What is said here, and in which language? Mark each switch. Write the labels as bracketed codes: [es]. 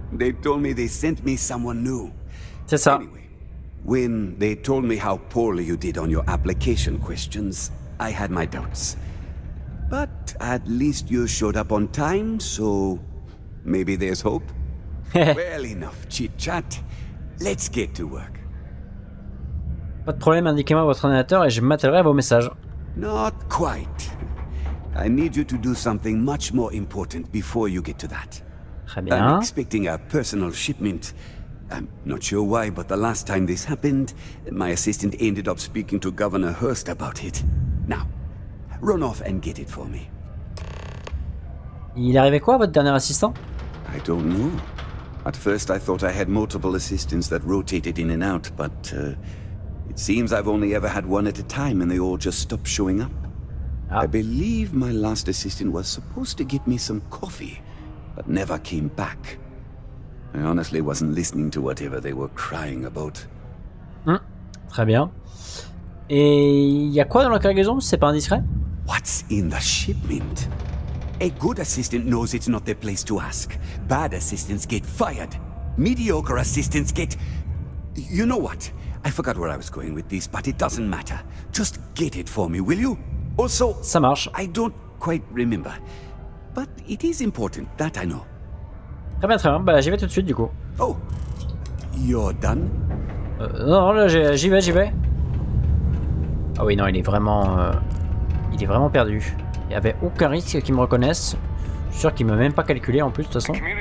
[en] They told me they sent me someone new. [fr] C'est ça. [en] Anyway, when they told me how poorly you did on your application questions, I had my doubts, but at least you showed up on time, so maybe there's hope. Well enough, chit-chat. Let's get to work. [fr] Pas de problème, indiquez-moi votre ordinateur et je m'attellerai à vos messages. [en] Not quite. I need you to do something much more important before you get to that. [fr] Très bien. [en] I'm expecting a personal shipment. I'm not sure why, but the last time this happened, my assistant ended up speaking to Governor Hurst about it. Now, run off and get it for me. [fr] Il arrivait quoi, votre dernier assistant? [en] I don't know. At first, I thought I had multiple assistants that rotated in and out, but it seems I've only ever had one at a time, and they all just stopped showing up. Ah. I believe my last assistant was supposed to get me some coffee, but never came back. I honestly wasn't listening to whatever they were crying about. [fr] Mmh. Très bien. Et il y a quoi dans la cargaison, c'est pas indiscret? [en] What's in the shipment? A good assistant knows it's not their place to ask. Bad assistants get fired. Mediocre assistants get... You know what? I forgot where I was going with this, but it doesn't matter. Just get it for me, will you? Also... [fr] Ça marche. [en] I don't quite remember. But it is important, that I know. [fr] Très bien, très bien. Bah, j'y vais tout de suite, du coup. [en] Oh, you're done? [fr] Non, là, j'y vais. Ah oui, non, il est vraiment perdu. Il n'y avait aucun risque qu'il me reconnaisse. Je suis sûr qu'il ne m'a même pas calculé en plus, de toute façon.